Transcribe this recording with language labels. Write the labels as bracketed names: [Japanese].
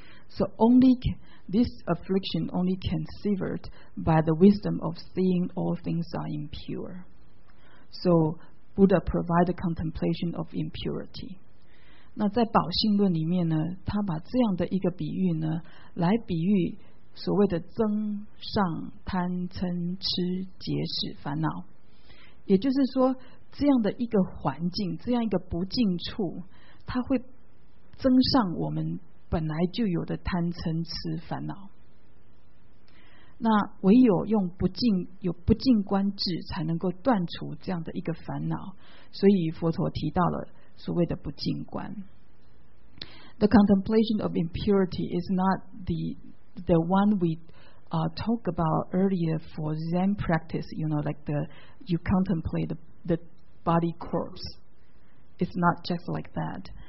[English] So only this affliction only can sever by the wisdom of seeing all things are impure. So Buddha provide a contemplation of impurity. [Chinese] 那在宝性论里面呢，他把这样的一个比喻呢，来比喻所谓的增上贪嗔痴结使烦恼。也就是说，这样的一个环境，这样一个不净处，它会增上我们本来就有的贪嗔痴烦恼。那唯有用不净观智，才能够断除这样的一个烦恼。所以佛陀提到了所谓的不净观。 [English] The contemplation of impurity is not the one we talk about earlier for Zen practice. You know, like you contemplate the body corpse. It's not just like that.